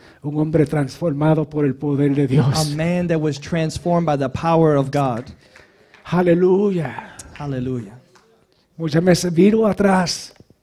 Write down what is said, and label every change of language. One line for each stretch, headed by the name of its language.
Spanish: Un hombre transformado por el poder de Dios.
English: A man that was transformed by the power of God. Hallelujah. Hallelujah.
Spanish: Muchas veces viro atrás.